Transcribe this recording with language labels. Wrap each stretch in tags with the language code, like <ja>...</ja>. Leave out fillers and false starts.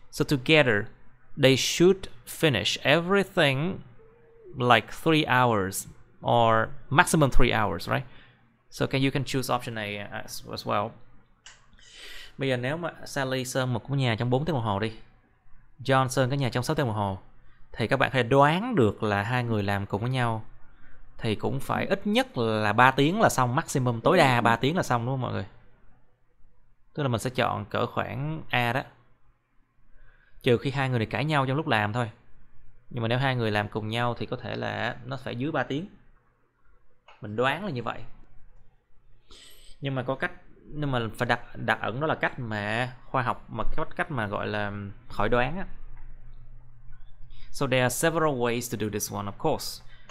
<en>So together, they should finish everything like 3 hours or maximum 3 hours, right? So can you can choose option A as well.</en> <vi>Bây giờ nếu mà Sally sơn một cái nhà trong 4 tiếng đồng hồ đi, John sơn cái nhà trong 6 tiếng đồng hồ, thì các bạn có thể đoán được là hai người làm cùng với nhau thì cũng phải ít nhất là 3 tiếng là xong, maximum tối đa 3 tiếng là xong đúng không mọi người? Tức là mình sẽ chọn cỡ khoảng A đó. Trừ khi hai người này cãi nhau trong lúc làm thôi. Nhưng mà nếu hai người làm cùng nhau thì có thể là nó phải dưới 3 tiếng. Mình đoán là như vậy. Nhưng mà có cách, nhưng mà phải đặt đặt ẩn, đó là cách mà khoa học, mà cách mà gọi là khỏi đoán á.</vi> <en>So there are several ways to do this one, of course.</en>